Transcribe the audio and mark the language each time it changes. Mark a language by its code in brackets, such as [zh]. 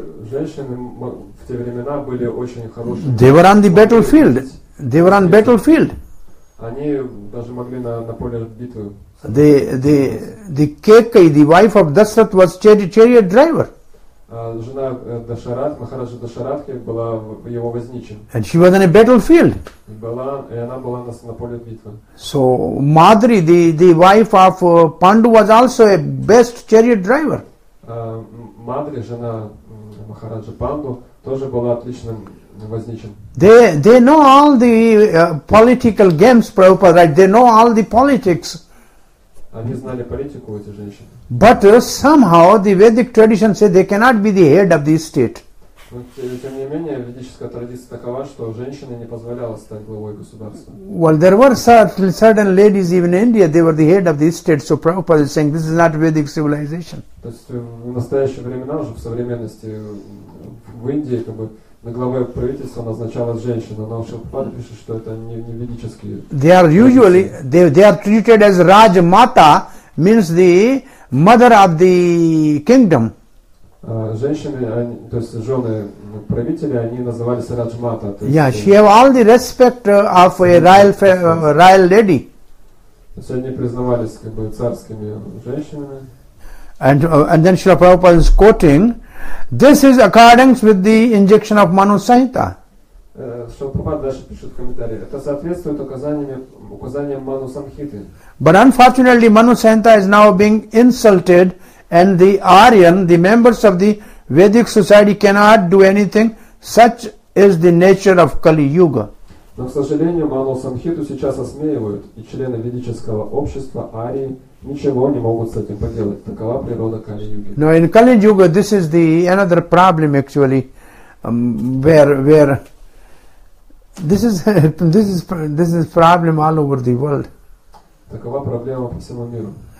[ru] Женщины в те времена были очень хорошие. [en] They were on the battlefield. They were on battlefield. [ru] Они даже могли на поле битвы. [en] The Kekai, the wife of Dasharatha, was chariot driver. [ru] Жена Дашарат, Махараджа Дашаратхи, была его возничим. [en] And she was on a battlefield. [ru] Она была на поле битвы. [en] So Madri, the wife of Pandu, was also a best chariot driver. [ru] Madri, жена Махараджа Панду, тоже была отличным возничим. [en] They know all the political games, Prabhupada, right? They know all the politics. [ru] Они знали политику, эти женщины. [en] But somehow the Vedic tradition says they cannot be the head of the state. [ru] Тем не менее, ведическая традиция такова, что женщине не позволяло стать главой государства. [en] Well, there were certain ladies even in India, they were the head of the state, so Prabhupada is saying this is not Vedic civilization. [ru] То есть в настоящие времена, уже в современности, в Индии, на главе правительства назначалась женщина, но Шилпад пишет, что это не ведические. [en] They are usually, they are treated as Raj Mata, means the mother of the kingdom. [ru] Женщины, то есть жены правителя, они назывались Раджмата. [en] Yeah, she have all the respect of a royal lady. [ru] Все они признавались царскими женщинами. [en] And then Srila Prabhupada is quoting, this is according with the injection of Manu Sanhita. [ru] Srila Prabhupada дальше пишет в комментарии, это соответствует указаниям Manu Sanhiti. [en] But unfortunately, Manu Sanhita is now being insulted, and the Aryan, the members of the Vedic society, cannot do anything. Such is the nature of Kali Yuga. [ru] Но, к сожалению, Manu Sanhiti сейчас осмеивают, и члены ведического общества Арии ничего не могут с этим поделать. Такова природа Kali Yuga. [en] Now, in Kali Yuga, this is the another problem, actually, where this is problem all over the world. [ru] Такова проблема по всему миру.